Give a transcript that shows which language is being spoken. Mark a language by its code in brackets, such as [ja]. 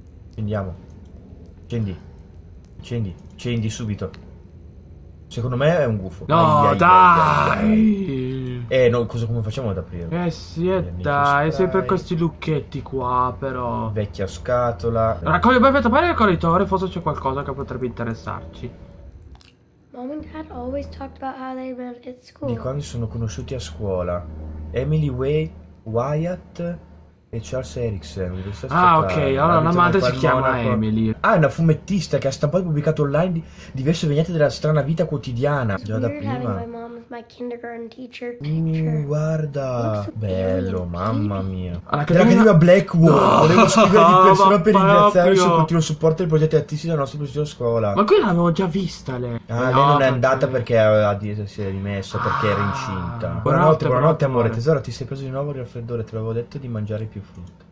[it] Accendiamo. Accendi subito. Secondo me è un gufo. No, dai! No, cosa, come facciamo ad aprirlo? Sì, dai, spray. Sempre questi lucchetti qua, però. Vecchia scatola. Raccoglio il papà del corridore, forse c'è qualcosa che potrebbe interessarci. [en] Mom and Dad always talked about how they met at school. [it] Di quando sono conosciuti a scuola. Emily Wyatt e Charles Erickson. Ah, ok, allora la madre si chiama Emily. Ah, è una fumettista che ha stampato e pubblicato online diverse vignette della strana vita quotidiana. Già da prima. [en] My kindergarten teacher picture. [it] Guarda, so bello, mamma mia. Dell'Accademia Blackwood. No. Volevo scrivere di persona per ringraziare il suo continuo supporto ai progetti artistici della nostra prossima scuola. Ma qui l'avevo già vista, lei. Ah, no, lei non è andata perché si è rimessa, perché era incinta. Buonanotte, amore. Tesoro, ti sei preso di nuovo il raffreddore. Te l'avevo detto di mangiare più frutta.